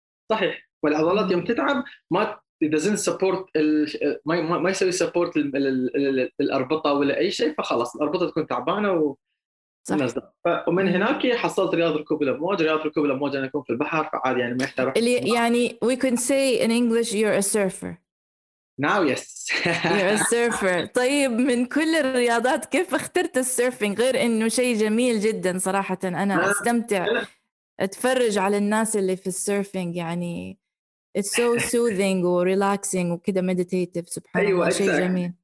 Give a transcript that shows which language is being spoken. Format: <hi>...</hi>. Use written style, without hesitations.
<ar>صحيح، والعضلات يوم تتعب ما</ar> <en>doesn't support</en> <ar>ما يسوي support الاربطه ولا اي شيء، فخلاص الاربطه تكون تعبانه و صح. ومن هناك حصلت رياضه ركوب الامواج. رياضه ركوب الامواج انا اكون في البحر فعادي، يعني ما يحتاج اللي يعني</ar> <en>we can say in English you're a surfer now. yes you're a surfer.</en> <ar>طيب من كل الرياضات كيف اخترت السيرفينج؟ غير انه شيء جميل جدا صراحه، انا استمتع اتفرج على الناس اللي في السيرفينج، يعني</ar> <en>it's so soothing or relaxing</en> <ar>وكذا</ar> <en>meditative،</en> <ar>سبحان أيوة الله شيء جميل.</ar>